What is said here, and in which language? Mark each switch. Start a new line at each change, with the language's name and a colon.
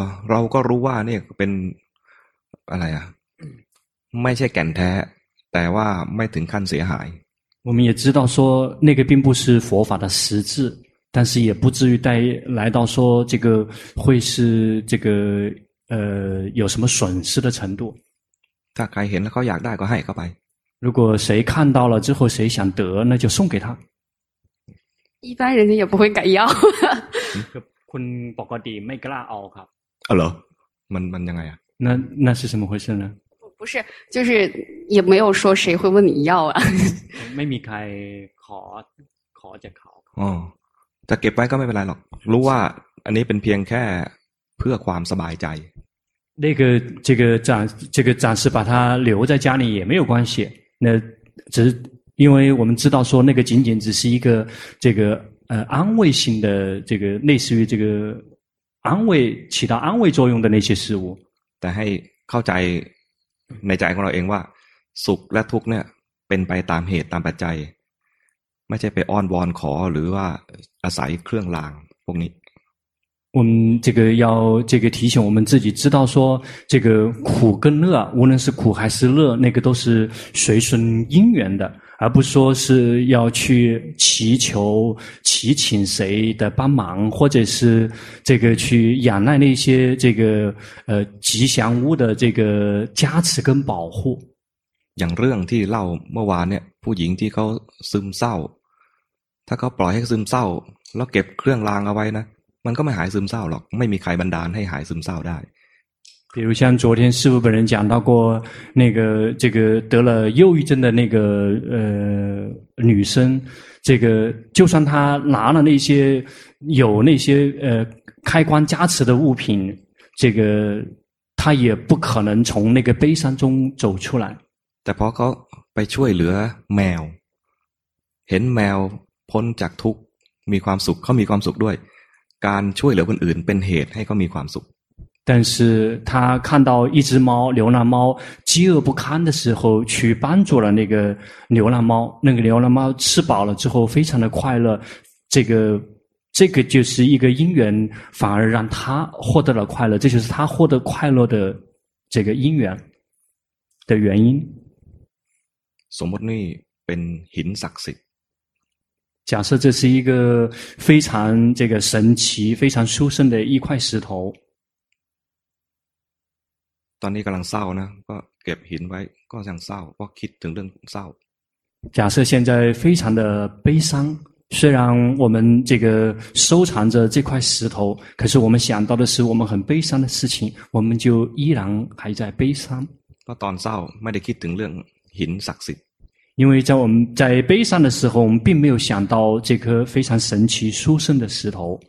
Thai: เราก็รู้ว่านี่เป็นอะไรอ่ะไม่ใช่แก่นแท้แต่ว่าไม่ถึงขั้นเสียหาย
Chinese: 我们也知道说那个并不是佛法的实质但是也不至于带来到说这个会是这个有什么损失的程度。大概
Thai: เห็นแล้วเขาอยากได้ก็ให้เขาไป。
Chinese: 如果谁看到了之后谁想得那就送给他。一般人也不会敢要。
Thai: คุณปกติไม่กล้าเอาครับ。 เหรอมันยังไงอ่ะ。
Chinese: 那是什么回事呢？不是，就是也没有说谁会问你要啊。
Thai: ไม่มีใครขอจะข อ。 哦。 แต่เก็บไว้ก็ไม่เป็นไรหรอกรู้ว่าอันนี้เป็นเพียงแค่เพื่อความสบายใจ
Chinese: 那个这个暂这个暂时把它留在家里也没有关系那只因为我们知道说那个仅仅只是一个这个安慰性的这个类似于这个安慰起到安慰作用的那些事物
Thai: แต่ให้เข้าใจในใจของเราเองว่าสุขและทุกข์เนี่ยเป็นไปตามเหตุตามปัจจัยไม่ใช่ไปอ้อนวอนขอหรือว่าอาศัยเครื่องรางพวกนี้
Chinese: 我们这个要这个提醒我们自己知道说这个苦跟乐无论是苦还是乐那个都是随顺因缘的而不说是要去祈求祈请谁的帮忙或者是这个去仰赖那些这个吉祥物的这个加持跟保护
Thai: อย่างเรื่องที่เล่าเมื่อวานเนี่ยผู้หญิงที่เขาซึมเศร้าถ้าเขาปล่อยให้ซึมเศร้าแล้วเก็บเครื่องรางเอาไว้นะมันก็ไม่หายซึมเศร้าหรอกไม่มีใครบันดาลให้หายซึมเศร้าได้
Chinese: 比如像昨天师父本人讲到过那个这个得了忧郁症的那个女生这个就算她拿了那些有那些开关加持的物品这个她也不可能从那个悲伤中走出来
Thai: แต่พอเขาไปช่วยเหลือแมวเห็นแมวพ้นจากทุกข์มีความสุขเขามีความสุขด้วยการช่วยเหลือคนอื่นเป็นเหตุให้เขามีความสุข
Chinese: 但是他看到一只猫流浪猫饥饿不堪的时候去帮助了那个流浪猫那个流浪猫吃饱了之后非常的快乐这个就是一个因缘反而让他获得了快乐这就是他获得快乐的这个因缘的原因
Thai: สมมตินี่เป็นหินศักดิ์สิท
Chinese: ธิ์假设这是一个非常这个神奇非常殊胜的一块石头
Thai: ตอนนี้กำลังเศร้านะก็เก็บหินไว้ก็ยังเศร้าเพราะคิดถึงเรื่องเศร้า
Chinese: 假设现在非常的悲伤虽然我们这个收藏着这块石头可是我们想到的是我们很悲伤的事情我们就依然还在悲伤
Thai: ก็ตอนเศร้าไม่ได้คิดถึงเรื่องหินศักดิ์สิทธิ์
Chinese: 因为在我们在悲伤的时候我们并没有想到这颗非常神奇殊胜的石头